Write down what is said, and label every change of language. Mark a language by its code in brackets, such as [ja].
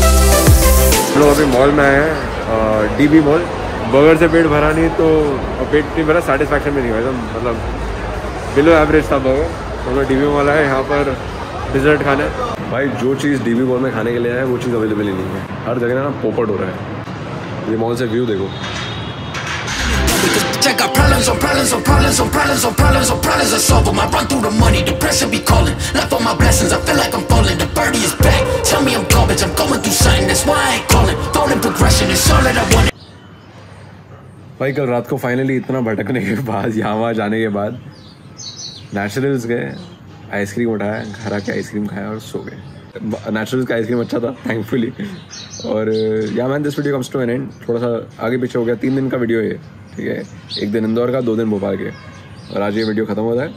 [hi] लोग अभी मॉल में आए हैं, डीबी मॉल, बर्गर से पेट भरा नहीं तो पेट नहीं भरा, सेटिस्फैक्शन में नहीं हुआ, मतलब बिलो एवरेज था बर्गर। तो मैं डीबी मॉल आया यहाँ पर डिजर्ट खाने। भाई जो चीज़ डीबी मॉल में खाने के लिए आया है वो चीज़ अवेलेबल ही नहीं है, हर जगह ना पोपट हो रहा है। ये मॉल से व्यू देखो, [en] check out problems on problems on problems on problems on problems on problems on problems I solve them, I run through the money, depression be calling, left on my blessings, I feel like I'm falling, the birdie is back, tell me I'm garbage, I'm going through something, that's why I ain't calling, falling progression, it's all that I want. [hi] भाई कल रात को finally इतना भटकने के बाद यहाँ वहाँ जाने के बाद नेचुरल्स गए, आइसक्रीम उठाया, घर आके आइसक्रीम खाया और सो गए। नेचुरल्स का आइसक्रीम अच्छा था थैंकफुली। और [en] या man this video comes to an end, [hi] थोड़ा सा आगे पीछे हो गया, तीन दिन का वीडियो है, ठीक है, एक दिन इंदौर का, दो दिन भोपाल के, और आज ये वीडियो खत्म हो रहा है।